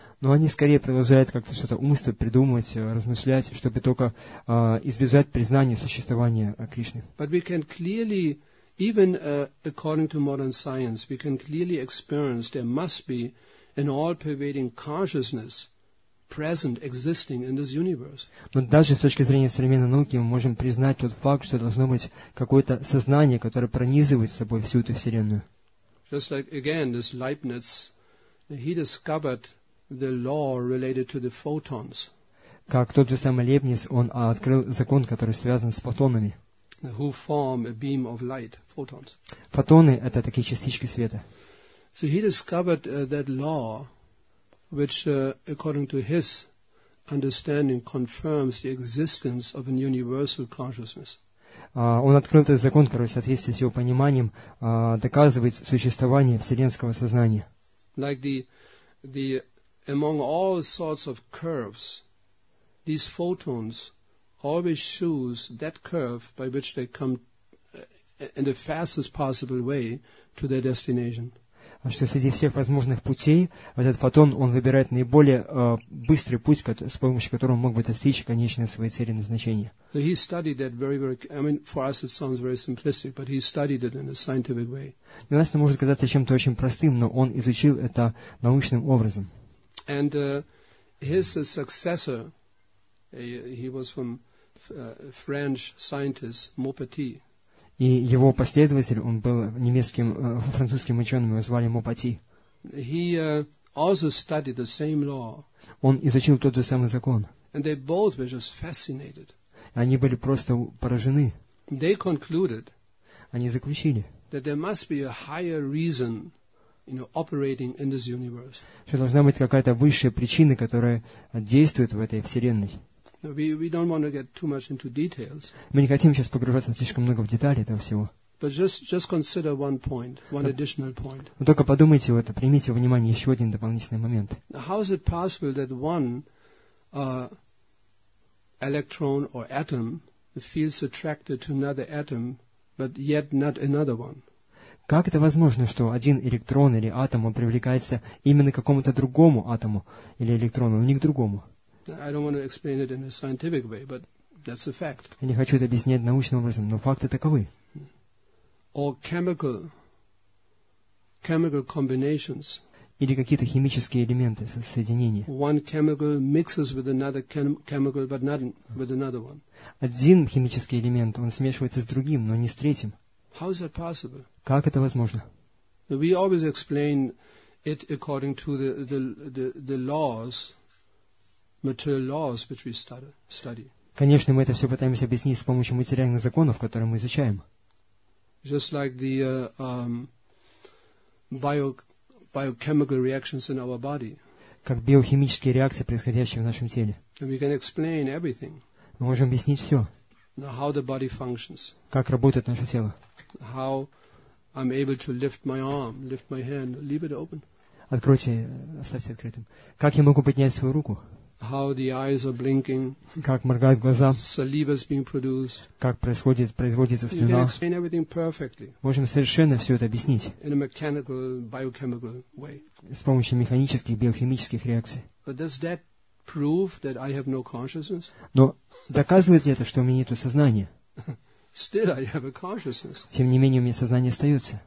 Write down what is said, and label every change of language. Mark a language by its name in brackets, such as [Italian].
[Russian] Но они скорее продолжают как-то что-то умствовать, придумывать, размышлять, чтобы только избежать признания существования Кришны. [English] But we can clearly, even according to modern science, we can clearly experience there must be an all-pervading consciousness present, existing in this universe. [Russian] Но даже с точки зрения современной науки мы можем признать тот факт, что должно быть какое-то сознание, которое пронизывает собой всю эту вселенную. [English] Just like again, this Leibniz, he discovered the law related to the photons. [Russian] как тот же самый Лейбниц, он открыл закон, который связан с фотонами. [English] Who form a beam of light, photons. [Russian] Фотоны — это такие частички света. [English] So he discovered that law, which, according to his understanding, confirms the existence of a universal consciousness. [Russian] Он открыл этот закон, который, в соответствии с его пониманием, доказывает существование вселенского сознания. [English] Like the among all sorts of curves, these photons always choose that curve by which they come in the fastest possible way to their destination. [Russian] Что среди всех возможных путей этот фотон, он выбирает наиболее быстрый путь, с помощью которого он мог бы достичь конечной своей цели и назначения. [English] So he studied that very, very, I mean, for us it sounds very simplistic, but he studied it in a scientific way. [Russian] Для нас это может казаться чем-то очень простым, но он изучил это научным образом. [English] And his successor, he was from French scientist Maupetit. [Russian] И его последователь, он был немецким, французским ученым, его звали Мопати. [English] He also studied the same law. [Russian] Он изучил тот же самый закон. [English] And they both were just fascinated. [Russian] Они были просто поражены. [English] They concluded, [Russian] они заключили, [English] that there must be a higher reason, you know, operating in this universe. [Russian] Что должна быть какая-то высшая причина, которая действует в этой вселенной. [English] We don't want to get too much into details. [Russian] Мы не хотим сейчас погружаться слишком много в детали этого всего. [English] But just consider one point, one additional point. [Russian] Но только подумайте вот, примите во внимание еще один дополнительный момент. [English] How is it possible that one electron or atom feels attracted to another atom, but yet not another one? [Russian] Как это возможно, что один электрон или атом он привлекается именно к какому-то другому атому или электрону, но не к другому? [English] I don't want to explain it in a scientific way, but that's a fact. [Russian] Я не хочу это объяснять научным образом, но факты таковы. [English] Or chemical combinations. [Russian] Или какие-то химические элементы, соединения. [English] One chemical mixes with another chemical, but not with another one. [Russian] Один химический элемент, он смешивается с другим, но не с третьим. [English] How is that possible? [Russian] Как это возможно? [English] We always explain it according to the laws. Material laws, which we study. [Russian] Конечно, мы это все пытаемся объяснить с помощью материальных законов, которые мы изучаем. [English] Just like the biochemical reactions in our body. [Russian] Как биохимические реакции, происходящие в нашем теле. [English] And we can explain everything. [Russian] Мы можем объяснить все. [English] Now, how the body functions. [Russian] Как работает наше тело. [English] How I'm able to lift my arm, lift my hand, leave it open. [Russian] Откройте, оставьте открытым. Как я могу поднять свою руку? [English] How the eyes are blinking, [Russian] как моргают глаза, [English] saliva is being produced, [Russian] как производится слюна. [English] You can explain everything perfectly. [Russian] Можем совершенно все это объяснить [English] in a mechanical, biochemical way. [Russian] С помощью механических, биохимических реакций. [English] But does that prove that I have no consciousness? [Russian] Но доказывает ли это, что у меня нету сознания? [English] Still I have a consciousness. [Russian] Тем не менее, у меня сознание остается.